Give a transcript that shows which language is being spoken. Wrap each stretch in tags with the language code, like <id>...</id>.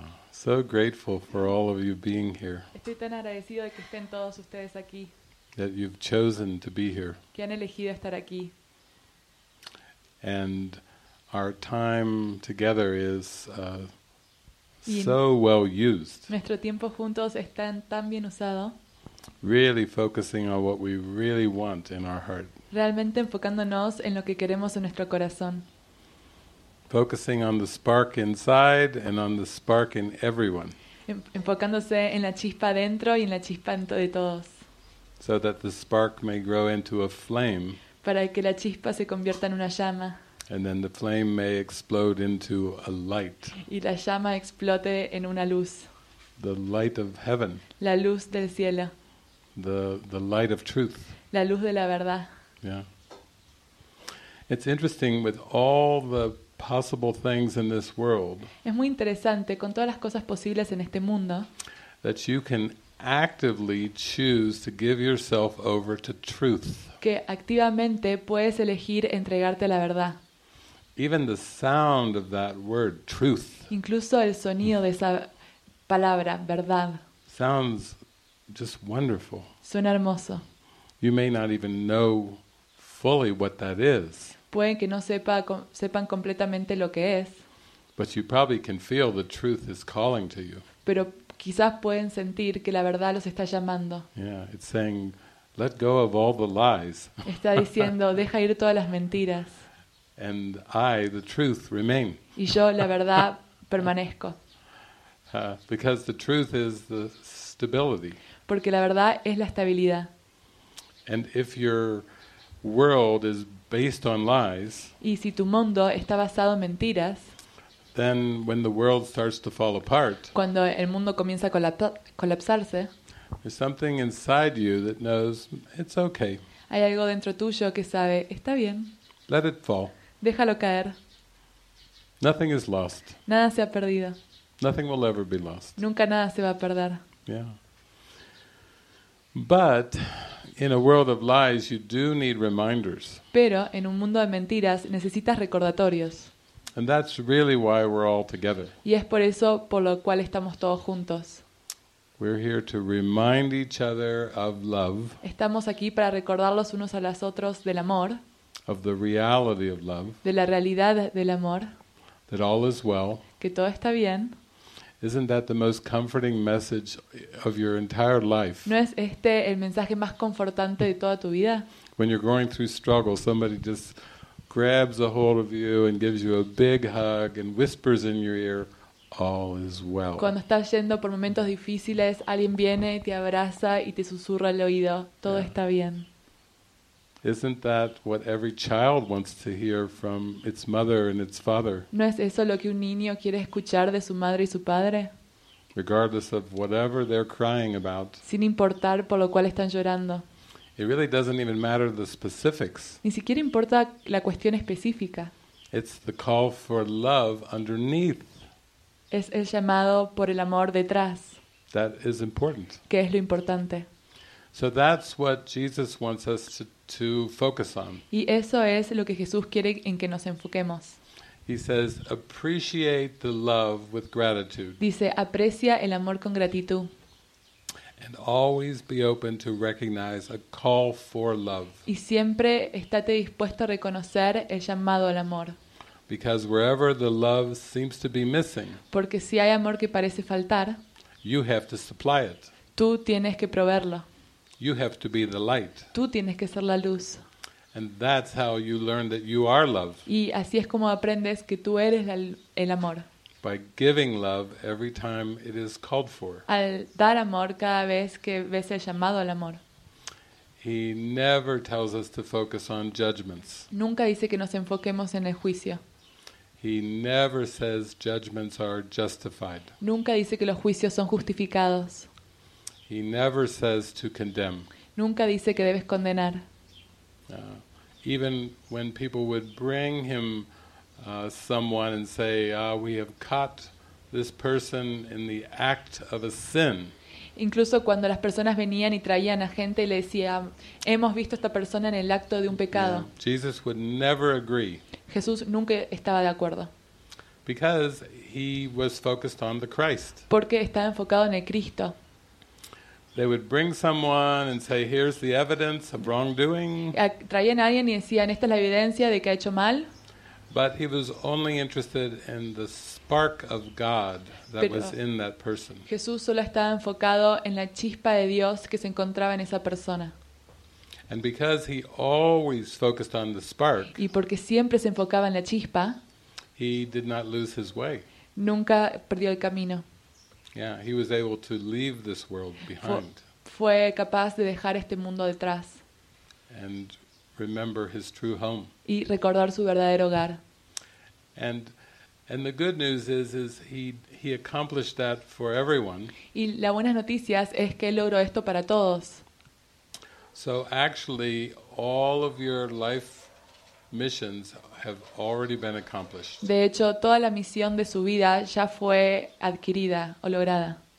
<en>So grateful for all of you being here.</en> <es>Estoy tan agradecido de que estén todos ustedes aquí.</es> <en>That you've chosen to be here.</en> <es>Que han elegido estar aquí.</es> <en>And our time together is so well used.</en> <es>Nuestro tiempo juntos está tan bien usado.</es> <en>Really focusing on what we really want in our heart.</en> <es>Realmente enfocándonos en lo que queremos en nuestro corazón.</es> <en>Focusing on the spark inside and on the spark in everyone.</en> <es>Enfocándose en la chispa dentro y en la chispa dentro de todos.</es> <en>So that the spark may grow into a flame.</en> <es>Para que la chispa se convierta en una llama.</es> <en>And then the flame may explode into a light.</en> <es>Y la llama explote en una luz.</es> <en>The light of heaven.</en> <es>La luz del cielo.</es> <en>The light of truth.</en> <es>La luz de la verdad. Yeah.</es> <en>It's interesting with all the possible things in this world.</en> <es>Es muy interesante con todas las cosas posibles en este mundo.</es> <en>That you can actively choose to give yourself over to truth.</en> <es>Que activamente puedes elegir entregarte a la verdad.</es> <en>Even the sound of that word truth.</en> <es>Incluso el sonido de esa palabra verdad.</es> <en>Sounds just wonderful.</en> <es>Suena hermoso.</es> <en>You may not even know fully what that is.</en> <es>Pueden que no sepan completamente lo que es.</es> <en>But you probably can feel the truth is calling to you.</en> <es>Pero quizás pueden sentir que la verdad los está llamando.</es> <en>Yeah, it's saying, let go of all the lies.</en> <es>Está diciendo, deja ir todas las mentiras.</es> <en>And I, the truth, remain.</en> <es>Y yo, la verdad, permanezco.</es> <en>Because the truth is the stability.</en> <es>Porque la verdad es la estabilidad.</es> <en>And if your world is based on lies.</en> <es>Y si tu mundo está basado en mentiras.</es> <en>Then when the world starts to fall apart.</en> <es>Cuando el mundo comienza a colapsarse.</es> <en>There's something inside you that knows it's okay.</en> <es>Hay algo dentro tuyo que sabe, está bien.</es> <en>Let it fall.</en> <es>Déjalo caer.</es> <en>Nothing is lost.</en> <es>Nada se ha perdido.</es> <en>Nothing will ever be lost.</en> <es>Nunca nada se va a perder. Yeah.</es> <en>But in a world of lies, you do need reminders.</en> <es>Pero en un mundo de mentiras necesitas recordatorios.</es> <en>And that's really why we're all together.</en> <es>Y es por eso por lo cual estamos todos juntos.</es> <en>We're here to remind each other of love.</en> <es>Estamos aquí para recordarlos unos a los otros del amor.</es> <en>Of the reality of love.</en> <es>De la realidad del amor.</es> <en>That all is well.</en> <es>Que todo está bien.</es> <en>Isn't that the most comforting message of your entire life?</en> <es>¿No es este el mensaje más confortante de toda tu vida?</es> <en>When you're going through struggle, somebody just grabs a hold of you and gives you a big hug and whispers in your ear, "All is well."</en> <es>Cuando estás yendo por momentos difíciles, alguien viene, te abraza y te susurra al oído, "Todo está bien."</es> <en>Isn't that what every child wants to hear from its mother and its father?</en> <es>¿No es eso lo que un niño quiere escuchar de su madre y su padre?</es> <en>Regardless of whatever they're crying about.</en> <es>Sin importar por lo cual están llorando.</es> <en>It really doesn't even matter the specifics.</en> <es>Ni siquiera importa la cuestión específica.</es> <en>It's the call for love underneath.</en> <es>Es el llamado por el amor detrás.</es> <en>That is important.</en> <es>Que es lo importante.</es> <en>So that's what Jesus wants us to focus on.</en> <es>Y eso es lo que Jesús quiere en que nos enfoquemos.</es> <en>He says, appreciate the love with gratitude.</en> <es>Dice, aprecia el amor con gratitud.</es> <en>And always be open to recognize a call for love.</en> <es>Y siempre estate dispuesto a reconocer el llamado al amor.</es> <en>Because wherever the love seems to be missing.</en> <es>Porque si hay amor que parece faltar.</es> <en>You have to supply it.</en> <es>Tú tienes que proveerlo.</es> <en>You have to be the light.</en> <es>Tú tienes que ser la luz.</es> <en>And that's how you learn that you are love.</en> <es>Y así es como aprendes que tú eres el amor.</es> <en>By giving love every time it is called for.</en> <es>Al dar amor cada vez que ves el llamado al amor.</es> <en>He never tells us to focus on judgments.</en> <es>Nunca dice que nos enfoquemos en el juicio.</es> <en>He never says judgments are justified.</en> <es>Nunca dice que los juicios son justificados.</es> <en>He never says to condemn.</en> <es>Nunca dice que debes condenar.</es> <en>Even when people would bring him someone and say, we have caught this person in the act of a sin.</en> <es>Incluso cuando las personas venían y traían a gente y le decía, hemos visto a esta persona en el acto de un pecado.</es> <en>Yeah. Jesus would never agree.</en> <es>Jesús nunca estaba de acuerdo.</es> <en>Because he was focused on the Christ.</en> <es>Porque estaba enfocado en el Cristo.</es> <en>They would bring someone and say, here's the evidence of wrongdoing.</en> <es>Traían a alguien y decían, esta es la evidencia de que ha hecho mal.</es> <en>But he was only interested in the spark of God that was in that person.</en> <es>Jesús solo estaba enfocado en la chispa de Dios que se encontraba en esa persona.</es> <en>And because he always focused on the spark,</en> <es>y porque siempre se enfocaba en la chispa,</es> <en>he did not lose his way.</en> <es>Nunca perdió el camino.</es> <en>Yeah, he was able to leave this world behind.</en> <es>Fue capaz de dejar este mundo detrás.</es> <en>And remember his true home.</en> <es>Y recordar su verdadero hogar.</es> <en>And the good news is he accomplished that for everyone.</en> <es>Y la buena noticia es que él logró esto para todos.</es> <en>So actually all of your life missions have already been accomplished.</en> <es>De hecho, toda la misión de su vida ya fue adquirida o lograda.</es>